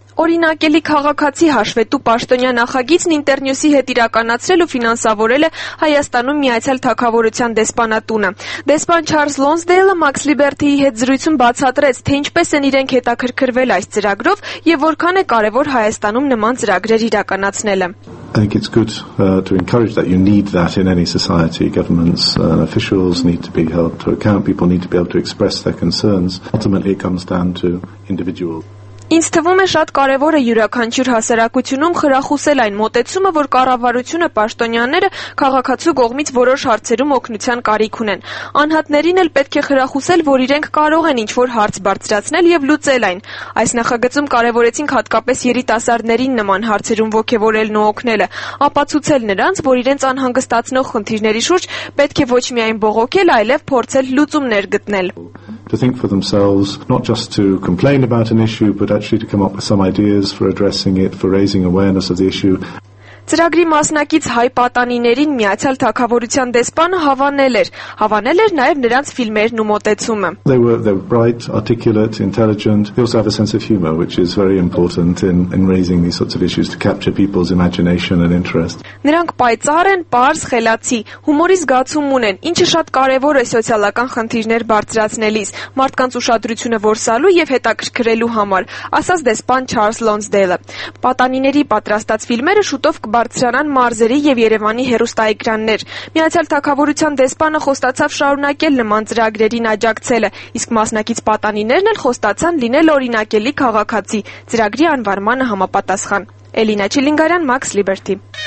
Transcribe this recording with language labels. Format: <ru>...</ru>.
<hy>Օրինակելի քաղաքացի հաշվետու պաշտոնյա նախագիծն Ինտերնյուսի հետ իրականացրել ու ֆինանսավորել է Հայաստանում Միացյալ Թագավորության դեսպանատունը։ Դեսպան Չարլզ Լոնսդեյլը Մաքս Լիբերթիի հետ զրույցում բացատրեց, թե ինչպես են իրենք հետաքրքրվել այս ծրագրով և որքան է կարևոր Հայաստանում նման ծրագրեր իրականացնելը։</hy> <en>I think it's good to encourage that. You need that in any society. Governments and officials need to be held to account. People need to be able to express their concerns. Ultimately it comes down to individuals.</en> <hy>Ինձ թվում է շատ կարևոր է յուրաքանչյուր հասարակությունում խրախուսել այն մոտեցումը, որ կառավարությունը, պաշտոնյաները քաղաքացու կողմից որոշ հարցերում օգնության կարիք ունեն։ Անհատներին էլ պետք է խրախուսել, որ իրենք կարող են ինչ-որ հարց բարձրացնել և լուծել այն։ Այս նախագծում կարևորեցինք հատկապես երիտասարդներին նման հարցերում ոգևորելն ու օգնելը, ապացուցել նրանց, որ իրենց անհանգստացնող խնդիրների շուրջ պետք է ոչ միայն բողոքել, այլև փորձել լուծումներ գտնել։</hy> <en>To think for themselves, not just to complain about an issue, but actually to come up with some ideas for addressing it, for raising awareness of the issue.</en> <hy>Ծրագրի մասնակից հայ պատանիներին Միացյալ Թագավորության դեսպանը հավանել էր նաև նրանց ֆիլմերն ու մոտեցումը։</hy> <en>They were bright, articulate, intelligent. They also have a sense of humor, which is very important in raising these sorts of issues to capture people's imagination and interest.</en> <hy>Նրանք պայծառ են, պարզ, խելացի, հումորի զգացում ունեն, ինչը շատ կարևոր է սոցիալական խնդիրներ բարձրացնելիս, մարդկանց ուշադրությունը որսալու եւ հետաքրքրելու համար, ասաց դեսպան Չարլզ Լոնսդեյլը։ Պատանիների պատրաստած ֆիլմերը շուտով բարձրանան մարզերի և Երևանի հեռուստաէկրաններ։ Միացյալ Թագավորության դեսպանը խոստացավ շարունակել նման ծրագրերին աջակցելը, իսկ մասնակից պատանիներն էլ խոստացան լինել օրինակելի քաղաքացի ծրագրի անվանմանը համապատասխան։ Էլինա Չիլինգարյան, Max Liberty.</hy>